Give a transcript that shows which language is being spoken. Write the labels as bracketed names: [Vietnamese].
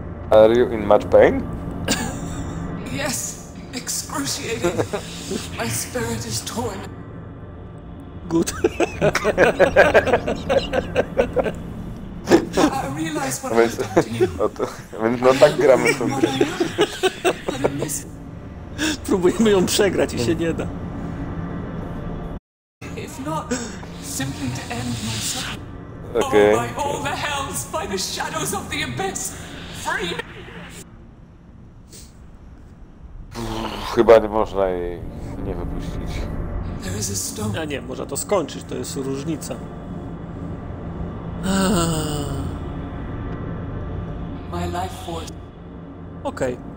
[English] Are you in much pain? Yes, excruciating. My spirit is torn. Good. I realize what I've done to you. [Polish] No tak gramy w tą grę. Próbujemy ją przegrać i się nie da. [English] If not, simply to end my suffering. Okay. Oh, by all the hells, by the shadows of the abyss, free me! [Polish] Chyba nie można jej nie wypuścić. A nie, można to skończyć, to jest różnica. [English] My life force. [Polish] Okej.